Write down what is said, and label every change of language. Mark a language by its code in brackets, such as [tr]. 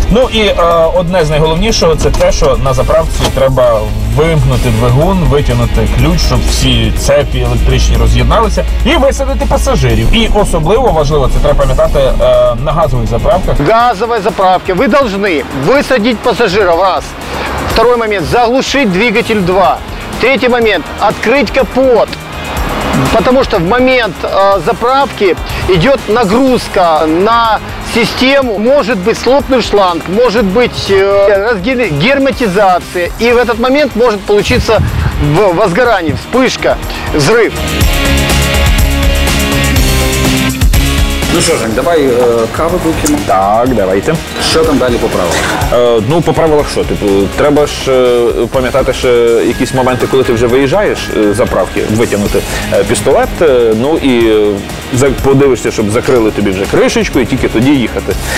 [uk] Ну і одне з найголовнішого – це те, що на заправці треба вимкнути двигун, витягнути ключ, щоб всі цепи електричні роз'єдналися, і висадити пасажирів. І особливо важливо, це треба пам'ятати на газових заправках. Газові заправки. Ви повинні висадити пасажира, раз. [ru] Второй момент – заглушить двигатель 2. [uk] Третій момент – відкрити капот. [ru] Потому что в момент заправки идет нагрузка на систему, может быть слопнув шланг, может быть разгерметизация, и в этот момент может получиться возгорание, вспышка, взрыв. [uk] Ну що, Жень, давай каву випиємо. Так, давайте. Що там далі по правилах? Ну, по правилах що? Типу, треба ж пам'ятати ще якісь моменти, коли ти вже виїжджаєш з заправки, витягнути пістолет, ну і подивишся, щоб закрили тобі вже кришечку і тільки тоді їхати.